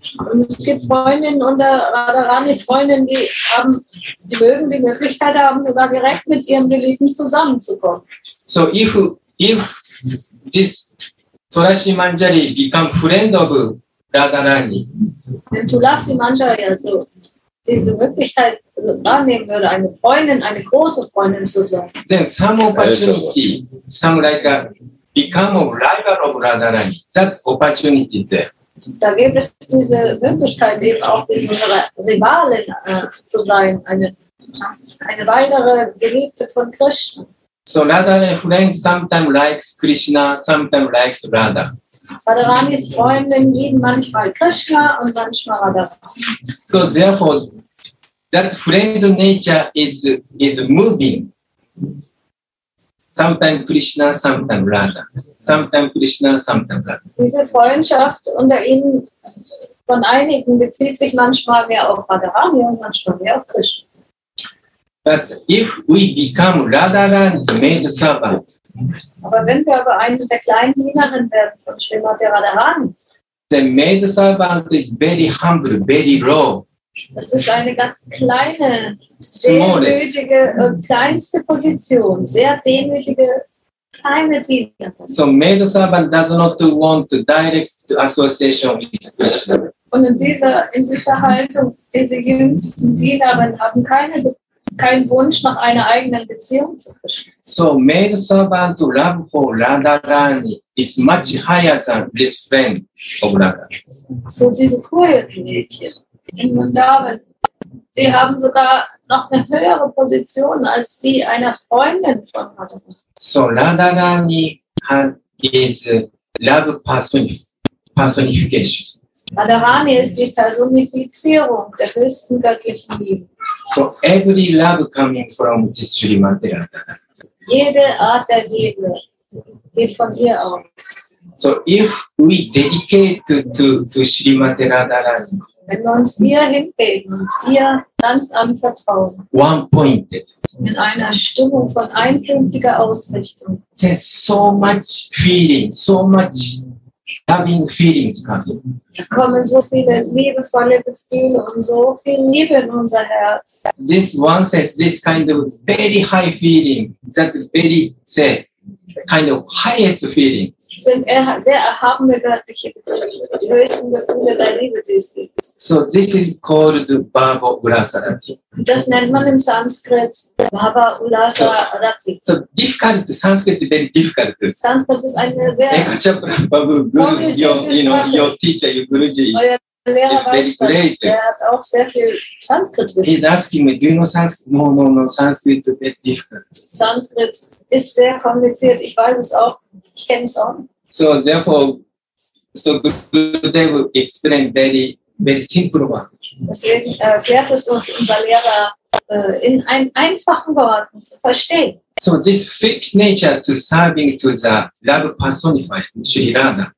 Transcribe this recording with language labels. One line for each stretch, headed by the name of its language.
German: Und es gibt Freundinnen unter Radharani's Freundinnen, die mögen die Möglichkeit haben, sogar direkt mit ihrem Geliebten zusammenzukommen.
English: So, if this Tulasi Manjari become friend of Radharani.
German: Wenn Tulasi Manjari also diese Möglichkeit wahrnehmen würde, eine Freundin, eine große Freundin zu sein.
English: Then some opportunity, some like a become a rival of Radharani. That's opportunity there.
German: Da gibt es diese Möglichkeit, eben auch diese Rivalin zu sein, eine weitere Geliebte von Krishna.
English: So Radharani friend sometimes likes Krishna, sometimes likes Radha.
German: Radharani's Freundin lieben manchmal Krishna und manchmal Radha.
English: So therefore, that friend nature is moving. Sometimes Krishna, sometimes Radha. Sometimes Krishna, sometimes Radha.
German: Diese Freundschaft unter ihnen von einigen bezieht sich manchmal mehr auf Radharani und manchmal mehr auf Krishna.
English: But if we become Radharani's maid servant,
German: aber wenn wir aber eine der kleinen Dienerin werden von Srimati Radharani,
English: the maid servant is very humble, very low.
German: Das ist eine ganz kleine, demütige, kleinste Position, sehr demütige, kleine Diener.
English: So maid servant does not want to direct association with Krishna.
German: Und in dieser Haltung, diese jüngsten Diener haben keinen Wunsch nach einer eigenen Beziehung zu Krishna.
English: So maid servant love for Radharani is much higher than this friend of Radha.
German: So diese Kurier-Mädchen in Mundavan, die haben sogar noch eine höhere Position als die einer Freundin von Radha.
English: So Radharani is love personification.
German: Radharani ist die Personifizierung der höchsten göttlichen Liebe.
English: So every love coming from this Srimati Radha.
German: Jede Art der Liebe geht von hier aus.
English: So if we dedicate to Srimati Radharani,
German: wenn wir uns hier hinbeten und hier ganz anvertrauen,
English: one point,
German: in einer Stimmung von einpunktiger Ausrichtung,
English: there's so much feeling, so much loving feelings coming.
German: Da kommen so viele liebevolle Gefühle und so viel Liebe in unser Herz.
English: This one says this kind of very high feeling, that very say, kind of highest feeling.
German: Sind sehr erhabene göttliche Gefühle, die höchsten Gefühle der Liebe, die es gibt.
English: So this is called Bhava Ulasarati.
German: Das nennt man im Sanskrit Bhava Ulasarati.
English: So difficult, Sanskrit is very difficult.
German: Sanskrit ist eine sehr komplizierte Sprache.
English: Your teacher, your Guruji,
German: Lehrer weiß das, der hat auch sehr viel Sanskrit gesprochen.
English: He's asking me, do you know Sanskrit? No, Sanskrit is very difficult.
German: Sanskrit ist sehr kompliziert, ich weiß es auch, ich kenne es auch.
English: So therefore, so Gurudev explained very, very simple one.
German: Deswegen erklärt es uns unser Lehrer in einem einfachen Wort zu verstehen.
English: So this fixed nature to serving to the love personified Sri Radha.